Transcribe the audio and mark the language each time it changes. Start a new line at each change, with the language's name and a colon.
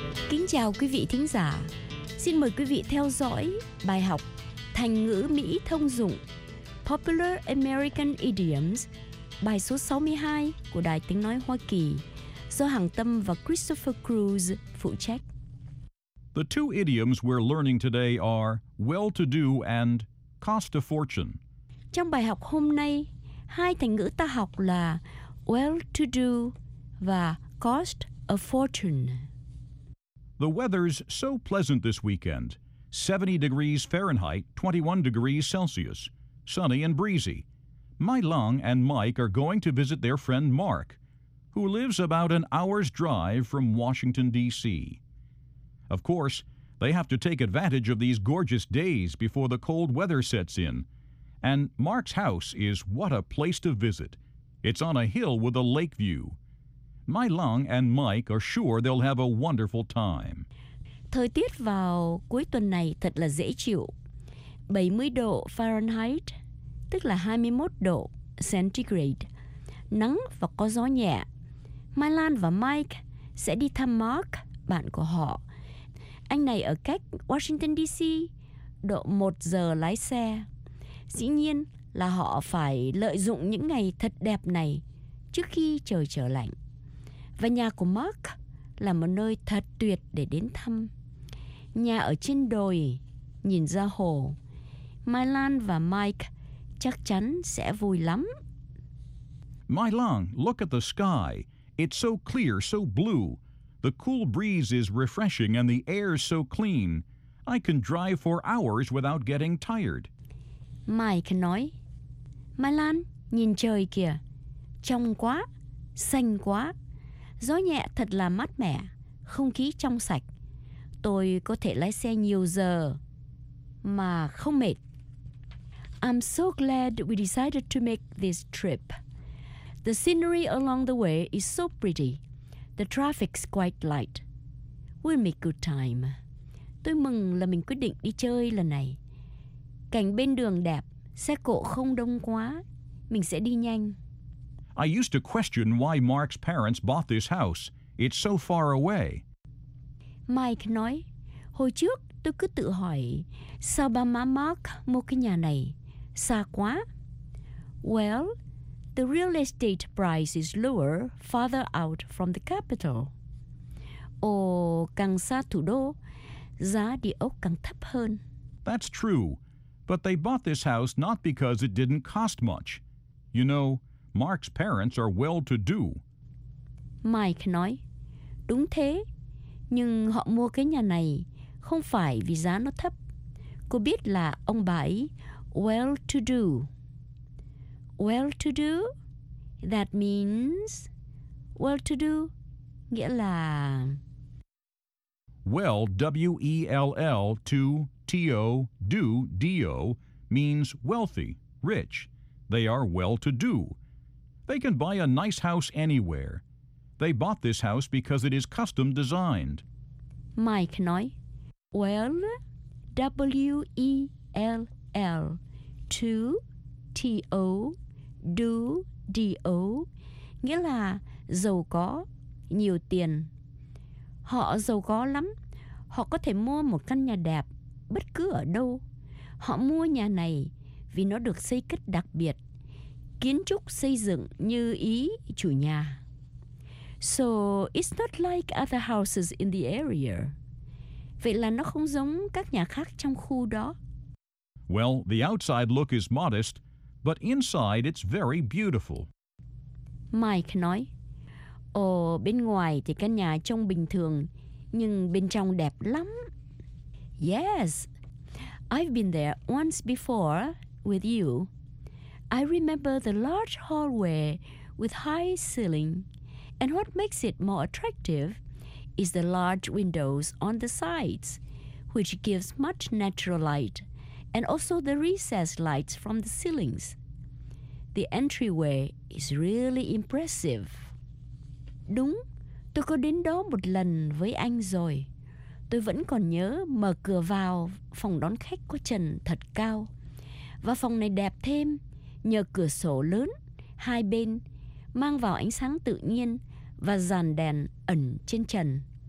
Vietnamese: Kính chào quý vị thính giả. Xin mời quý vị theo dõi bài học thành ngữ Mỹ thông dụng
English: Popular American Idioms,
Vietnamese: bài số 62 của Đài Tiếng Nói Hoa Kỳ do Hằng Tâm và Christopher Cruz phụ trách.
English: The two idioms we're learning today are well-to-do and cost a fortune.
Vietnamese: Trong bài học hôm nay, hai thành ngữ ta học là well-to-do và
English: cost a fortune. The weather's so pleasant this weekend. 70 degrees Fahrenheit, 21 degrees Celsius. Sunny and breezy. My Lung and Mike are going to visit their friend Mark, who lives about an hour's drive from Washington, D.C. Of course, they have to take advantage of these gorgeous days before the cold weather sets in. And Mark's house is what a place to visit. It's on a hill with a lake view. My Lung and Mike are sure they'll have a wonderful time.
Vietnamese: Thời tiết vào cuối tuần này thật là dễ chịu. 70 độ Fahrenheit, tức là 21 độ Centigrade. Nắng và có gió nhẹ. My Lung và Mike sẽ đi thăm Mark, bạn của họ. Anh này ở cách Washington DC, độ 1 giờ lái xe. Dĩ nhiên là họ phải lợi dụng những ngày thật đẹp này trước khi trời trở lạnh. Và nhà của Mark là một nơi thật tuyệt để đến thăm. Nhà ở trên đồi, nhìn ra hồ. My Lung và Mike chắc chắn sẽ vui lắm.
English: My Lung, look at the sky. It's so clear, so blue. The cool breeze is refreshing and the air is so clean. I can drive for hours without getting tired.
Vietnamese: Mike nói, My Lung, nhìn trời kìa. Trong quá, xanh quá. Gió nhẹ thật là mát mẻ, không khí trong sạch. Tôi có thể lái xe nhiều giờ mà không mệt.
English: I'm so glad we decided to make this trip. The scenery along the way is so pretty. The traffic's quite light. We'll make good time.
Vietnamese: Tôi mừng là mình quyết định đi chơi lần này. Cảnh bên đường đẹp, xe cộ không đông quá. Mình sẽ đi nhanh.
English: I used to question why Mark's parents bought this house. It's so far away.
Vietnamese: Mike nói, hồi trước tôi cứ tự hỏi, sao ba má Mark mua cái nhà này? Xa quá.
English: Well, the real estate price is lower farther out from the capital.
Vietnamese: Ồ, càng xa thủ đô, giá địa ốc càng thấp hơn.
English: That's true. But they bought this house not because it didn't cost much. You know, Mark's parents are well-to-do.
Vietnamese: Mike nói, đúng thế. Nhưng họ mua cái nhà này không phải vì giá nó thấp. Cô biết là ông bà ấy well-to-do.
English: Well-to-do, that means well-to-do,
Vietnamese: nghĩa là
English: well, W-E-L-L, to T-O, do, D-O, means wealthy, rich. They are well-to-do. They can buy a nice house anywhere. They bought this house because it is custom designed.
Vietnamese: Mike nói, well, W-E-L-L, LL, to, T-O, do, D-O, nghĩa là giàu có, nhiều tiền. Họ giàu có lắm, họ có thể mua một căn nhà đẹp bất cứ ở đâu. Họ mua nhà này vì nó được xây cất đặc biệt, kiến trúc xây dựng như ý chủ nhà.
English: So it's not like other houses in the area.
Vietnamese: Vậy là nó không giống các nhà khác trong khu đó.
English: Well, the outside look is modest, but inside it's very beautiful.
Vietnamese: Mike nói, ồ, bên ngoài thì căn nhà trông bình thường, nhưng bên trong đẹp lắm.
English: Yes, I've been there once before with you. I remember the large hallway with high ceiling. And what makes it more attractive is the large windows on the sides, which gives much natural light, and also the recessed lights from the ceilings. The entryway is really impressive.
Vietnamese: Đúng, tôi có đến đó một lần với anh rồi. Tôi vẫn còn nhớ mở cửa vào phòng đón khách có trần thật cao. Và phòng này đẹp thêm nhờ cửa sổ lớn hai bên mang vào ánh sáng tự nhiên và dàn đèn ẩn trên trần.